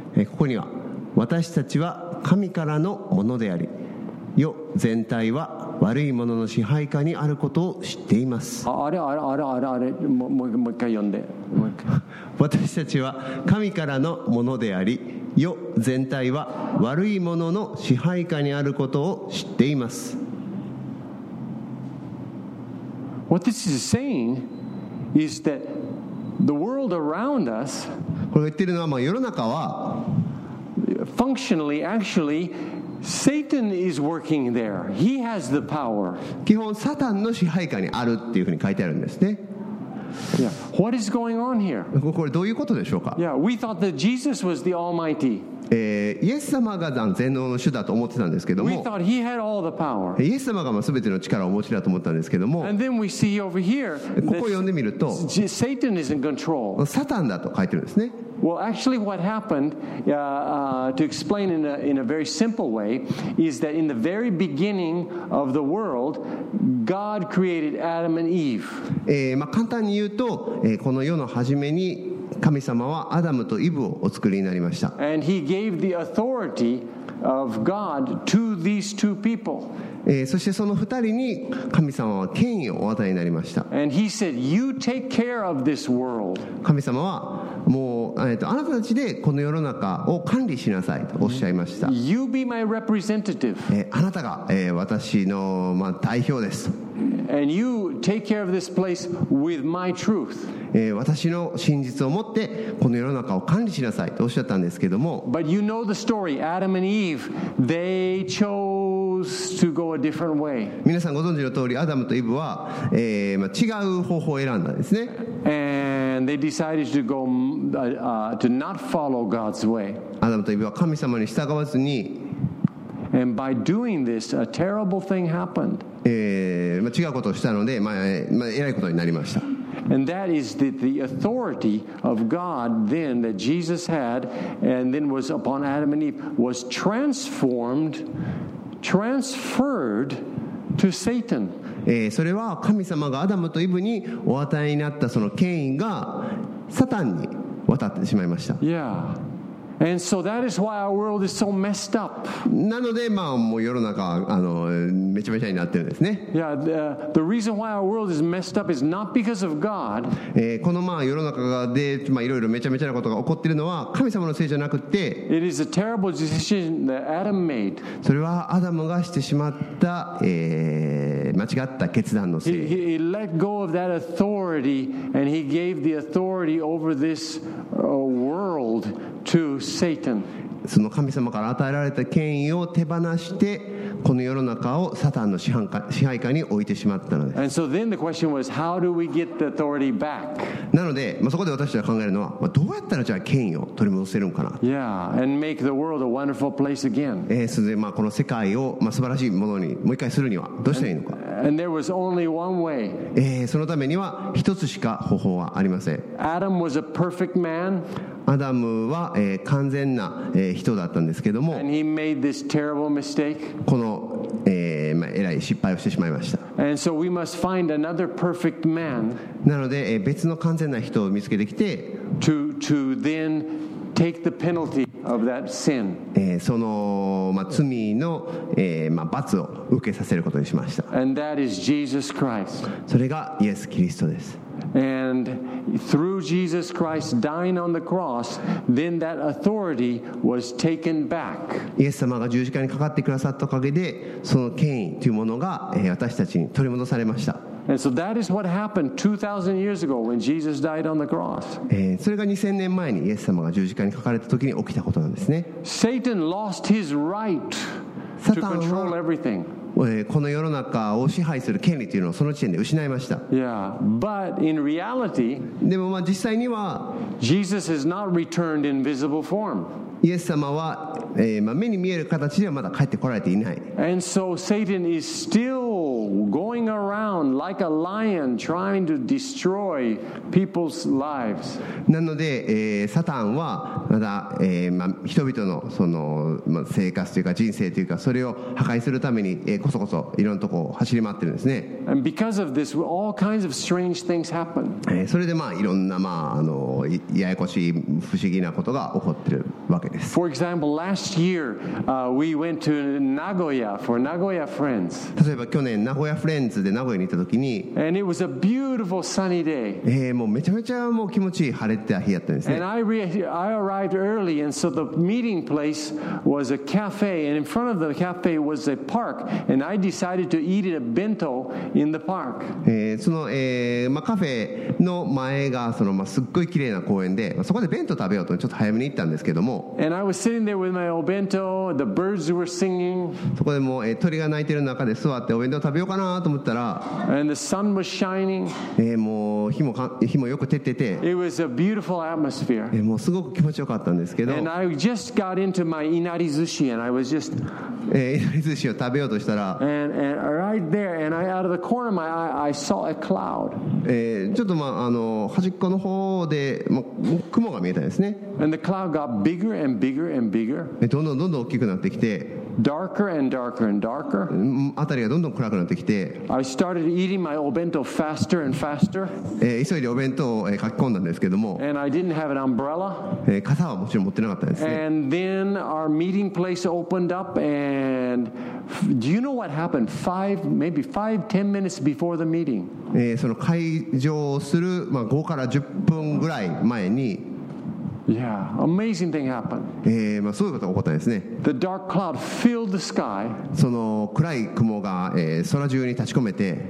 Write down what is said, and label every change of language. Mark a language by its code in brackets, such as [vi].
[ja] ここには私たちは神からのものであり、世全体は悪いものの支配下にあることを知っています。あれ、もう一回読んで私たちは神からのものであり、世全体は悪いものの支配下にあることを知っています。 [en] What this is saying is that the world around us、 [ja] これ言ってるのは、まあ、世の中は [en] Functionally, actually, Satan is working there. He has the power. [ja] 基本、サタンの支配下にあるっていうふうに書いてあるんですね。 [en] Yeah. What is going on here? [ja] これどういうことでしょうか? [en] Yeah, we thought that Jesus was the Almighty. [ja] イエス様が全能の主だと思ってたんですけども。 [en] We thought he had all the power. [ja] イエス様が全ての力をお持ちだと思ったんですけども。 [en] And then we see over here. [ja] ここを読んでみると、 [en] Satan is in control. [ja] サタンだと書いてるんですね。 [en] Well, actually, what happened, to explain in a very simple way, is that in the very beginning of the world, God created Adam and Eve. [ja] 簡単に言うと、この世の初めに神様はアダムとイブをお作りになりました。 [en] And he gave the authority of God to these two people. [ja] そしてその二人に神様は権威をお与えになりました。 [en] And he said, "You take care of this world." [ja] 神様はもう、あなたたちでこの世の中を管理しなさいとおっしゃいました。 [en] You be my representative. [ja] あなたが、私の、まあ、代表です。 [en] And you take care of this place with my truth. [ja] 私の真実を持ってこの世の中を管理しなさいとおっしゃったんですけども。 [en] But you know the story. Adam and Eve, they chose to go a different way. [ja] 皆さんご存知の通り、アダムとイブは、まあ、違う方法を選んだんですね。 [en] And they decided to go, to not follow God's way. [ja] アダムとイブは神様に従わずに。 [en] And by doing this, a terrible thing happened. [ja] まあ、違うことをしたので、まあまあ、えらいことになりました。 [en] And that is the authority of God then that Jesus had and then was upon Adam and Eve was transferred to Satan. [ja] それは神様がアダムとイブにお与えになったその権威がサタンに渡ってしまいました。 [en] Yeah. And so that is why our world is so messed up. [ja] なので、まあ、もう世の中、めちゃめちゃになってるんですね。 [en] Yeah, the reason why our world is messed up is not because of God. [ja] この、まあ、世の中で、まあ、いろいろめちゃめちゃなことが起こってるのは神様のせいじゃなくて、 [en] It is a terrible decision that Adam made. [ja] それはアダムがしてしまった、間違った決断のせい。 [en] He let go of that authority and he gave the authority over this world. To Satan. [ja] その神様から与えられた権威を手放してこの世の中をサタンの支配下に置いてしまったのです。 [en] And so then the question was, how do we get the authority back? [ja] なので、まあ、そこで私たちが考えるのは、まあ、どうやったらじゃあ権威を取り戻せるのかな。 [en] Yeah, and make the world a wonderful place again. [ja] それで、まあ、この世界を、まあ、素晴らしいものにもう一回するにはどうしたらいいのか。 [en] And there was only one way. [ja] そのためには一つしか方法はありません。 [en] Adam was a perfect man. [ja] アダムは、完全な、人だったんですけども、 [en] And he made this terrible mistake. [ja] この、まあ、えらい失敗をしてしまいました。 [en] And so we must find another perfect man. [ja] なので、別の完全な人を見つけてきて、 [en] to then take the penalty of that sin. [ja] その、まあ、罪の、まあ、罰を受けさせることにしました。 [en] And that is Jesus Christ. [ja] それがイエス・キリストです。 [en] And through Jesus Christ dying on the cross, then that authority was taken back. [ja] イエス様が十字架にかかってくださったおかげで、その権威というものが、私たちに取り戻されました。 [en] And so that is what happened 2,000 years ago when Jesus died on the cross. [ja] それが2000年前にイエス様が十字架にかかれた時に起きたことなんですね。 [en] Satan lost his right to control everything. [ja] この世の中を支配する権利というのをその時点で失いました。 [en] Yeah, but in reality, [ja] でもまあ実際には、 [en] Jesus has not returned in visible form. [ja] イエス様は、まあ、目に見える形ではまだ帰ってこられていない。 [en] And so Satan is still going around like a lion trying to destroy people's lives. [ja] なので、サタンはまだ、まあ、人々の、その、まあ、生活というか人生というかそれを破壊するために、こそこそいろんなところを走り回ってるんですね。 [en] And because of this, all kinds of strange things happen. [ja] それで、まあ、いろんな、まあ、あの、ややこしい不思議なことが起こってるわけ。 [en] For example, last year, we went to Nagoya for Nagoya Friends. [ja] 例えば去年名古屋フレンズで名古屋に行った時に、 [en] and it was a beautiful sunny day. [ja] もうめちゃめちゃもう気持ちいい晴れた日だったんですね。 [en] And I arrived early, and so the meeting place was a cafe, and in front of the cafe was a park, and I decided to eat a bento in the park. [ja] その、まあ、カフェの前がその、まあ、すっごい綺麗な公園で、まあ、そこで弁当食べようとちょっと早めに行ったんですけども。 [en] And I was sitting there with my obento. The birds were singing. [ja] そこでもう、鳥が鳴いてる中で座ってお弁当食べようかなと思ったら、 [en] And the sun was shining. [ja] もう日もよく照ってて、 [en] It was a beautiful atmosphere. [ja] もうすごく気持ちよかったんですけど、 [en] And I just got into my inari sushi, and I was just, [ja] inari sushi を食べようとしたら、 [en] And right there, and I out of the corner of my eye, I saw a cloud. [ja] ちょっとまああの端っこの方で、ま、雲が見えたんですね。 [en] And the cloud got big. Bigger and bigger and bigger. [ja] どんどんどんどん大きくなってきて、 [en] darker and darker and darker. [ja] あたりがどんどん暗くなってきて、 [en] I started eating my obento faster and faster. [ja] 急いでお弁当を書き込んだんですけども、 [en] and I didn't have an umbrella. [ja] 傘はもちろん持ってなかったですね。 [en] And then our meeting place opened up, and do you know what happened? Five, ten minutes before the meeting. [ja] その会場をする、まあ、5から10分ぐらい前に。 [en] Yeah, amazing thing happened. [ja] まあ、そういうことが起こったんですね。 [en] The dark cloud filled the sky. [ja] その暗い雲が、空中に立ち込めて。